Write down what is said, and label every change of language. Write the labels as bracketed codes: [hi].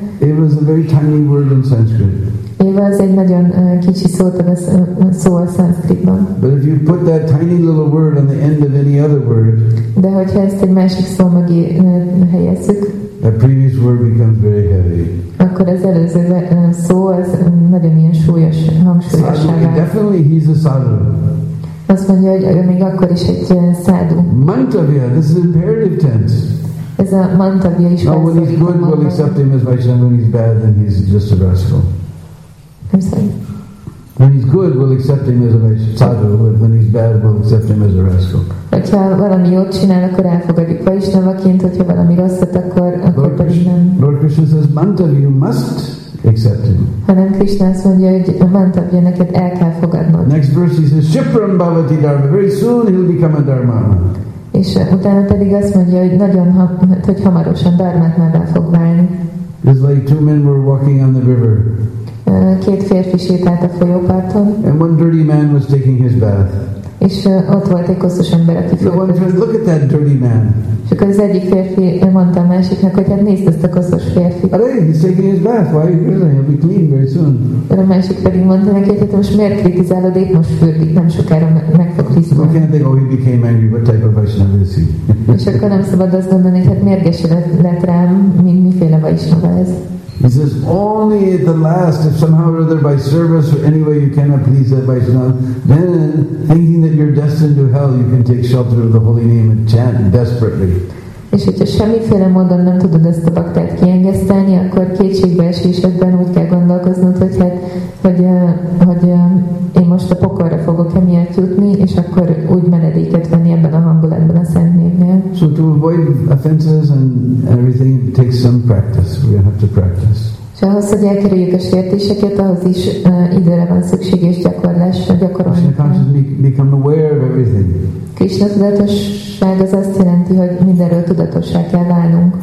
[en] Eva is a very tiny word in Sanskrit. [hu] Eva az egy nagyon kicsi szó a Sanskritban. [en] But if you put that tiny little word on the end of any other word, [hu] de hogyha ezt egy másik szó mögé helyezzük, [en] that previous word becomes very heavy. [hu] Akkor az előző szó az nagyon ilyen súlyos hangsúlyossá válik. [en] Definitely he's a sadhu. [hu] Azt mondja, hogy ő még akkor is egy szádu. [en] Mantavya, this is imperative tense. [hu] Ez a mantavya is. [en] Now when he's good, we'll accept him as Vaishnava. When he's bad, then he's just a rascal. I'm sorry. When he's good, we'll accept him as a sadhu. When he's bad, we'll accept him as a rascal. [hu] Hogyha valami jót csinál, akkor elfogadjuk Vaishnavaként, hogyha valami rosszat, akkor pedig nem. [en] Lord Krishna says, Mantavya, you must accept him. [hu] Hanem Krishna azt mondja, hogy a mantavya, neked el kell fogadnod. [en] Next verse, he says, [sa] Shipram Bhavati Dharma. [en] Very soon he'll become a dharmana. [hu] És utána pedig azt mondja, hogy nagyon hogy hamarosan dharmatmává fog válni. [en] It's like two men were walking on the river. [hu] Két férfi sétált a folyóparton. [en] And one dirty man was taking his bath. [hu] És ott volt egy koszos ember, aki férfi. [en] Look at that dirty man. [hu] És akkor az egyik férfi mondta a másiknak, hogy hát nézd ezt a koszos férfit. [en] Hey, he's taking his bath. Why? Really? He'll be clean very soon. [hu] A másik pedig mondta neki, hogy most miért kritizálod, épp most fürdik, nem sokára meg fog tisztulni. [en] Look at that, oh, he became angry. What type of Vaishnava is he? [hu] És akkor nem szabad azt mondani, hogy hát mérges lett rám, miféle Vaishnava ez. [en] He says, only at the last, if somehow or other by service or any way you cannot please that Vaishnava, then thinking that you're destined to hell, you can take shelter of the holy name and chant desperately. [hu] És hogyha semmiféle módon nem tudod ezt a baktát kiengeszteni, akkor kétségbeesésedben úgy kell gondolkoznod, hogy hát, hogy én most a pokolra fogok emiatt jutni, és akkor úgy menedéket venni ebben a hangulatban a szent névnél. [en] So to avoid offenses and everything takes some practice. We have to practice. [hu] És ahhoz, hogy elkerüljük a sértéseket, ahhoz is időre van szükség és gyakorlás, a gyakorolni. [en] Krishna consciousness become aware of everything. [hu] Krishna tudatosság az azt jelenti, hogy mindenről tudatossá kell válnunk.